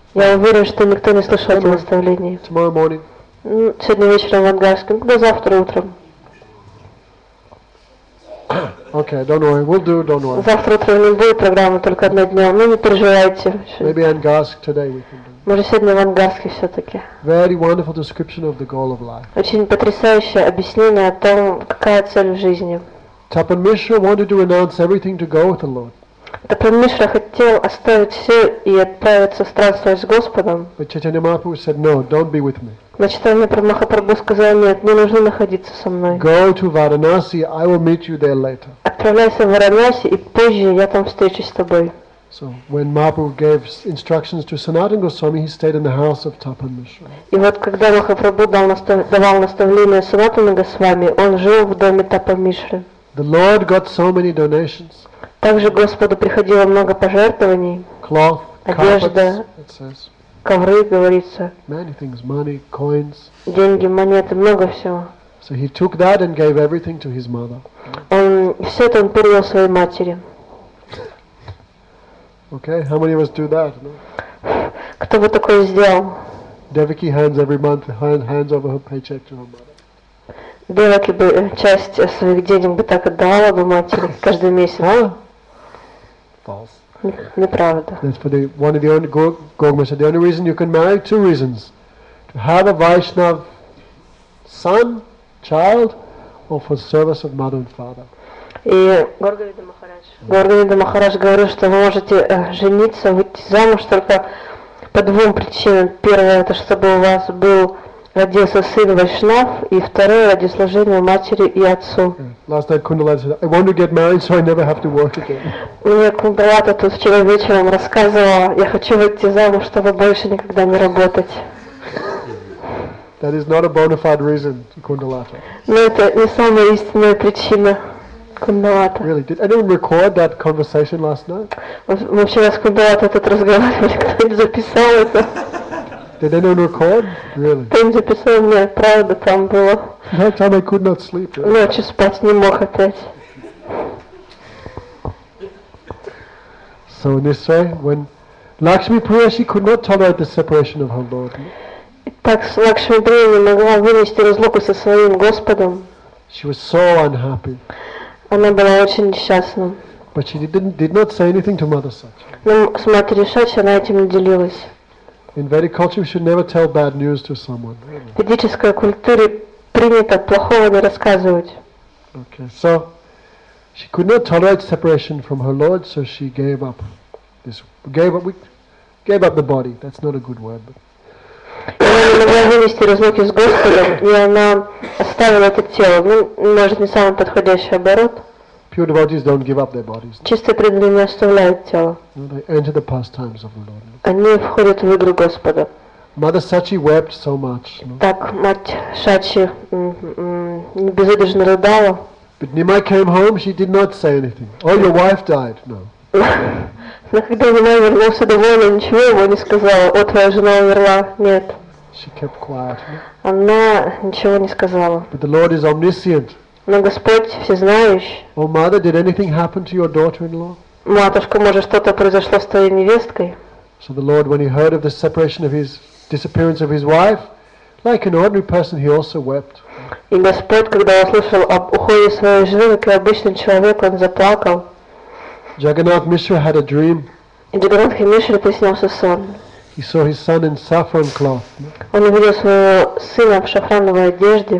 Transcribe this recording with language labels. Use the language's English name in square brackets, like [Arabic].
[Russian] Я уверен, что никто не слышал эти наставления. [English] Tomorrow morning. [Russian] Сегодня вечером в Ангарске. До завтра утром. [English] Okay, don't worry. We'll do. Don't worry. [Russian] Завтра утром не будет программы, только одно дня. Ну не переживайте. [English] Maybe Ангарск today we can do. [Russian] Может, сегодня в Ангарске все-таки. [English] Very wonderful description of the goal of life. [Russian] Очень потрясающее объяснение о том, какая цель в жизни. [English] Tapan Mishra wanted to renounce everything to go with the Lord. [Russian] Прамишра хотел оставить все и отправиться странствовать с Господом. [English] But Chaitanya Mahaprabhu said, no, don't be with me. [Russian] Но Чайтанья Махапрабху сказал, нет, не нужно находиться со мной. [English] Go to Varanasi, I will meet you there later. [Russian] Отправляйся в Варанаси, и позже я там встречусь с тобой. [English] So when Mahaprabhu gave instructions to Sanatana Goswami, he stayed in the house of Tapan Mishra. [Russian] И вот когда Махапрабху давал наставление Санатана Госвами, он жил в доме Тапан Мишры. [English] The Lord got so many donations. [Russian] Также Господу приходило много пожертвований. [English] Cloth, [Russian] одежда, [English] carpets, it says. [Russian] Ковры, говорится. [English] Many things, money, coins. [Russian] Деньги, монеты, много всего. [English] So he took that and gave everything to his mother. [Russian] Он все это передал своей матери. [English] Okay, how many of us do that? No? [Russian] Кто бы такое сделал? [English] Devaki hands every month hands over her paycheck to her mother. [Russian] Девочки бы часть своих денег бы так отдавала бы матери каждый месяц. [English] False. [Russian] Неправда. [English] That's for the one of the only Gorgma said, the only reason you can marry, two reasons. To have a Vaishnav son, child, or for service of mother and father. [Russian] И Горгавида Махарадж говорил, что вы можете жениться, выйти замуж только по двум причинам. Первое, это чтобы у вас был родился сын Вайшнав, и второе ради служения матери и отцу. [English] Last night Kundalata said, I want to get married so I never have to work again. [Russian] Мне Кундалата тут вчера вечером рассказывала, я хочу выйти замуж, чтобы больше никогда не работать. [English] That is not a bona fide reason, Kundalata. [Russian] Но это не самая истинная причина Кундалата. [English] Really? Did anyone record that conversation last night? [Russian] Вообще с Кундалата тут разговаривали, кто-нибудь записал это? [English] Did anyone record? Really? [Russian] Там записал мне, правда, там было. [English] That time I could not sleep. [Russian] Ночью спать не мог опять. [English] So in this way, when Lakshmi Priya, she could not tolerate the separation of her Lord. [Russian] Так Лакшми Прия не могла вынести разлуку со своим Господом. [English] She was so unhappy. [Russian] Она была очень несчастна. [English] But she did not say anything to Mother Sachi. [Russian] Но с матерью Сачи она этим не делилась. [English] In Vedic culture, we should never tell bad news to someone. [Russian] В ведической культуре принято плохого не рассказывать. [English] Okay, so she could not tolerate separation from her Lord, so she gave up this. Gave up the body. That's not a good word. [Russian] Она не могла вынести разлуки с Господом, и она оставила это тело. Ну, может, не самый подходящий оборот. [English] Pure devotees don't give up their bodies. [Russian] Чистые преданные оставляют тело. [English] They enter the pastimes of the Lord. [Russian] Они входят в игру Господа. [English] Mother Sachi wept so much. [Russian] Так мать Сачи безудержно рыдала. [English] But Nimai came home, she did not say anything. Oh, your wife died. No. [Russian] Но когда Нимай вернулся домой, она ничего ему не сказала. О, твоя жена умерла. Нет. [English] She kept quiet. [Russian] Она ничего не сказала. [English] But the Lord is omniscient. [Russian] Но Господь всезнающий. [English] Oh, mother, did anything happen to your daughter-in-law? [Russian] Матушка, может, что-то произошло с твоей невесткой? [English] So the Lord, when he heard of the separation of his disappearance of his wife, like an ordinary person, he also wept. [Russian] И Господь, когда услышал об уходе своей жены, как обычный человек, он заплакал. [English] Jagannath Mishra had a dream. [Russian] И Jagannath Mishra приснился сон. [English] He saw his son in saffron cloth. [Russian] Он увидел своего сына в шафрановой одежде.